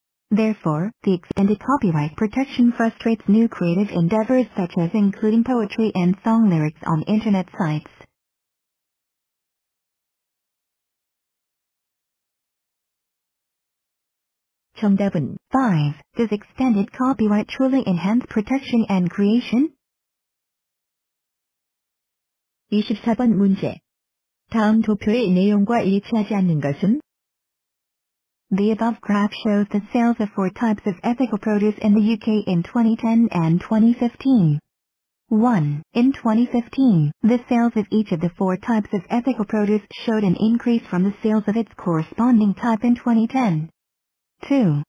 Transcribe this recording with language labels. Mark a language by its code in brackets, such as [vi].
[en] Therefore, the extended copyright protection frustrates new creative endeavors such as including poetry and song lyrics on internet sites. [ko] 정답은 5. [en] Does extended copyright truly enhance protection and creation? [ko] 24번 문제. 다음 도표의 내용과 일치하지 않는 것은? [en] The above graph shows the sales of 4 types of ethical produce in the UK in 2010 and 2015. 1. In 2015, the sales of each of the 4 types of ethical produce showed an increase from the sales of its corresponding type in 2010. 2.